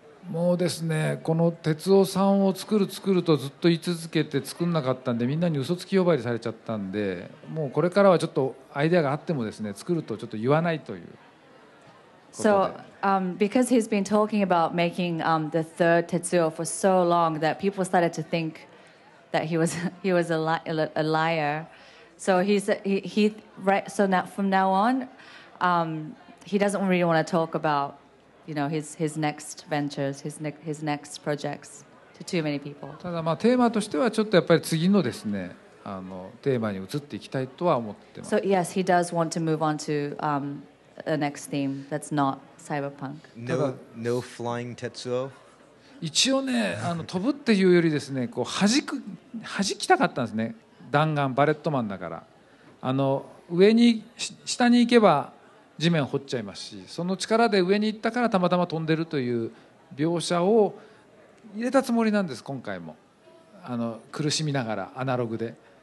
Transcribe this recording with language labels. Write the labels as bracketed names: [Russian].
[Japanese] もうですね、この鉄夫さんを作るとずっと言い続けて作んなかったんで、みんなに嘘つき呼ばわりされちゃったんで、もうこれからはちょっとアイデアがあってもですね、作るとちょっと言わないということで。 [English] So, because he's been talking about making the third Tetsuo for so long that people started to think that he was a liar. So from now on, he doesn't really want to talk abouthis next ventures, his next projects to too many people. [Japanese] ただ、まあ、テーマとしてはちょっとやっぱり次のですね、テーマに移っていきたいとは思ってます。 [English] So yes, he does want to move on to a next theme that's not cyberpunk. No flying Tetsuo? [Japanese] 一応ね、飛ぶっていうよりですね、こう弾きたかったんですね。弾丸、バレットマンだから。上に、下に行けば、地面掘っちゃいますし、その力で上に行ったからたまたま飛んでるという描写を入れたつもりなんです、今回も苦しみながらアナログで。